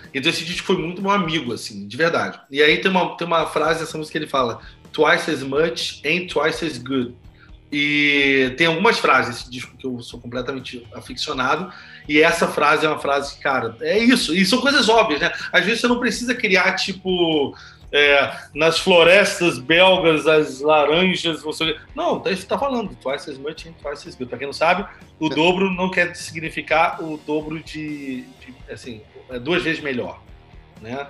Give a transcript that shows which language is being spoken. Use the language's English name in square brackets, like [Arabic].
[Portuguese] Então esse disco foi muito meu amigo, assim, de verdade. E aí tem uma frase nessa música que ele fala, [English] twice as much and twice as good. [Portuguese] E tem algumas frases nesse disco que eu sou completamente aficionado, e essa frase é uma frase que, cara, é isso. E são coisas óbvias, né? Às vezes você não precisa criar, tipo, nas florestas belgas as laranjas, você... Não, isso tá falando, [English] twice as much and twice as good. [Portuguese] Pra quem não sabe, o dobro não quer significar o dobro de assim, é duas vezes melhor, né?